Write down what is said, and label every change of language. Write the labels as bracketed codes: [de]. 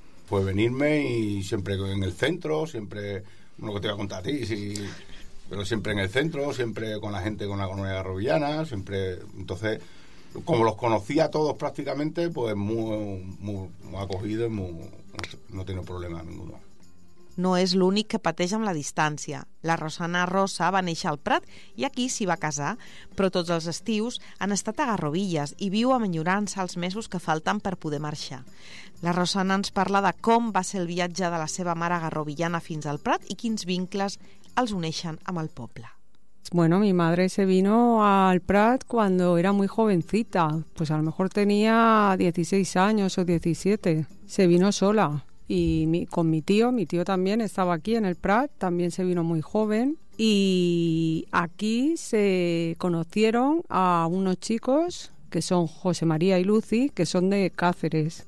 [es] Pues venirme y siempre en el centro, siempre, lo que te voy a contar a ti, sí, pero siempre en el centro, siempre con la gente, con la comunidad garrovillana, siempre, entonces, como los conocía a todos prácticamente, pues muy acogido y no tengo problema ninguno. [ca] No és l'únic que pateix amb la distància. La Rosana Rosa va néixer al Prat i aquí s'hi va casar, però tots els estius han estat a Garrovilles i viu amb enyorança els mesos que falten per poder marxar. La Rosana ens parla de com va ser el viatge de la seva mare garrovillana fins al Prat i quins vincles els uneixen amb el poble. [es] Bueno, mi madre se vino al Prat cuando era muy jovencita, pues a lo mejor tenía 16 años o 17. Se vino sola. Y con mi tío también estaba aquí en el Prat, también se vino muy joven. Y aquí se conocieron a unos chicos que son José María y Lucy, que son de Cáceres.